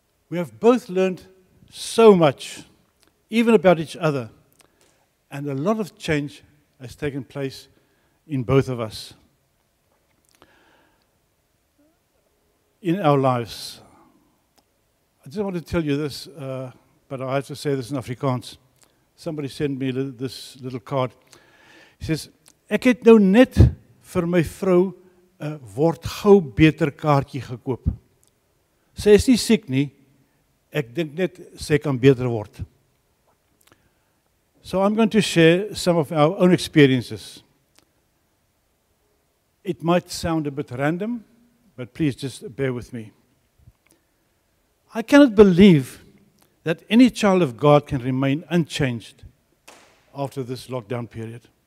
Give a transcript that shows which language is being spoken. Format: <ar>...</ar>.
<en>We have both learned so much, even about each other, and a lot of change has taken place in both of us. In our lives. I just want to tell you this, but I have to say this in Afrikaans. Somebody sent me this little card. He says,</en> <af>"Ek het nou net vir my vrou 'n word gou beter kaartjie gekoop. Sy is nie siek nie. Ek dink net sy kan beter word."</af> <en>So I'm going to share some of our own experiences. It might sound a bit random, but please just bear with me. I cannot believe that any child of God can remain unchanged after this lockdown period.</en>